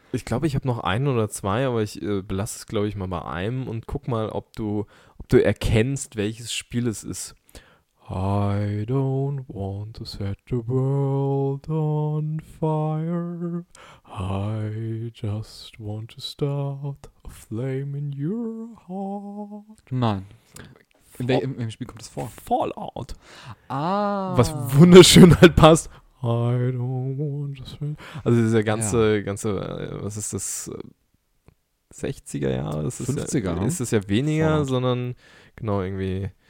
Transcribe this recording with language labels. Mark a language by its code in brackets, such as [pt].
[de] Ich glaube, ich habe noch ein oder zwei, aber ich belasse es, glaube ich, mal bei einem und guck mal, ob du erkennst, welches Spiel es ist. [en] I don't want to set the world on fire. I just want to start a flame in your heart. [de] Nein. In welchem Spiel kommt das vor? Fallout. Ah. Was wunderschön halt passt. [en] I don't want to set. [de] Also dieser ganze, was ist das? 60er Jahre? Das 50er. Ist, ja, ne? Ist es ja weniger, Fallout. Sondern genau irgendwie.